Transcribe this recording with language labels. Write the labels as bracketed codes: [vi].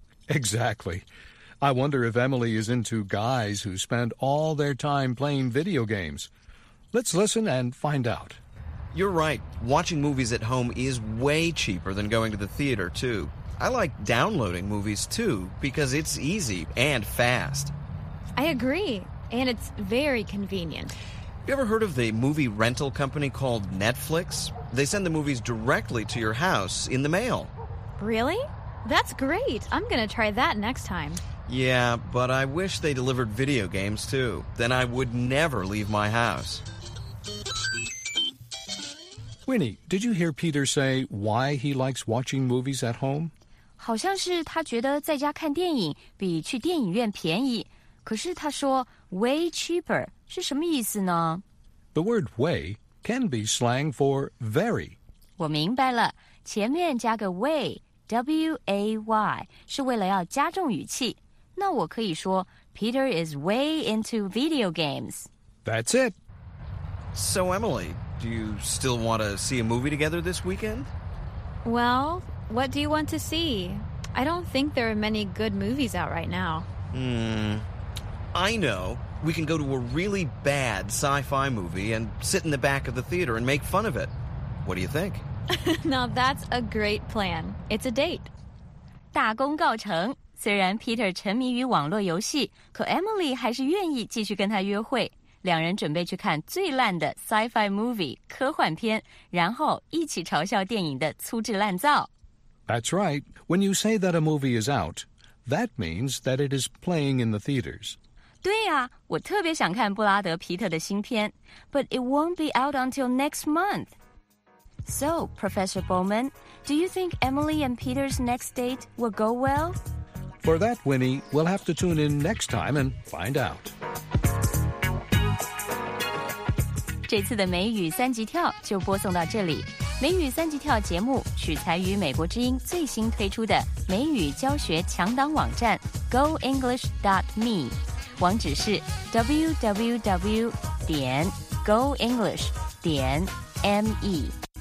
[en] Exactly. I wonder if Emily is into guys who spend all their time playing video games. Let's listen and find out. You're right. Watching movies at home is way cheaper than going to the theater, too. I like downloading movies, too, because it's easy and fast. I agree. And it's very convenient. Have you ever heard of the movie rental company called Netflix? They send the movies directly to your house in the mail. Really? That's great. I'm going to try that next time. Yeah, but I wish they delivered video games too. Then I would never leave my house. Winnie, did you hear Peter say why he likes watching movies at home? [zh] 好像是他觉得在家看电影比去电影院便宜。可是他说 [en] way cheaper. [zh] 是什么意思呢? [en] The word way can be slang for very. [zh] 我明白了,前面加个 way, W-A-Y, 是为了要加重语气。那我可以说, [en] Peter is way into video games. That's it. So Emily, do you still want to see a movie together this weekend? Well, what do you want to see? I don't think there are many good movies out right now. I know. We can go to a really bad sci-fi movie and sit in the back of the theater and make fun of it. What do you think? Now that's a great plan. It's a date. [zh] 大功告成。虽然 Peter 沉迷于网络游戏，可 Emily 还是愿意继续跟他约会。两人准备去看最烂的 sci-fi movie 科幻片，然后一起嘲笑电影的粗制滥造。 [en] That's right. When you say that a movie is out, that means that it is playing in the theaters. [zh] 对呀、啊、我特别想看布拉德皮特的新片 [en] But it won't be out until next month. So, Professor Bowman, do you think Emily and Peter's next date will go well? For that, Winnie, we'll have to tune in next time and find out. [zh] 这次的美语三级跳就播送到这里。美语三级跳节目取材于美国之音最新推出的美语教学强档网站 goenglish.me。网址是 www.goenglish.me